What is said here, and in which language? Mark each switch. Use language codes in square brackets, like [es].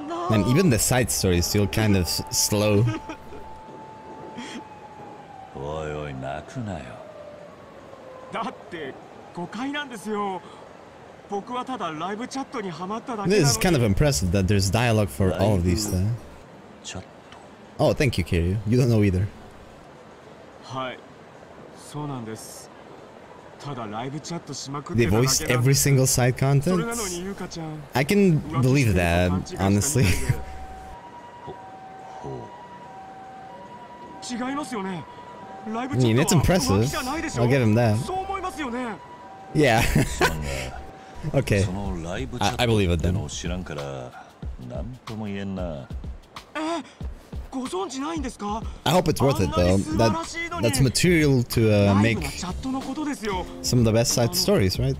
[en] And even the side story is still kind of slow. [ja] Oi, oi, 泣くなよ。だって誤解なんですよ。僕はただライブチャットにハマっただけ。 [en] This is kind of impressive that there's dialogue for all of these things. [ja] チャット。 [en] Oh, thank you, Kiryu. You don't know either. [ja] はい、そうなんです。ただライブチャットしまくって [en] た。 They voiced every single side content? [ja] それなのにゆかちゃん、 [en] I can believe that, honestly. [ja] 違いますよね。ライブチャットは浮気じゃないでしょ? [en] I mean, it's impressive. I'll give him that. [ja] そう思いますよね。 [en] Yeah. okay. [ja] そのライブチャットっての知らんから、なんとも言えんな。ご存知ないんですか? [en] I hope it's worth it, though. That's material to make some of the best side stories, right?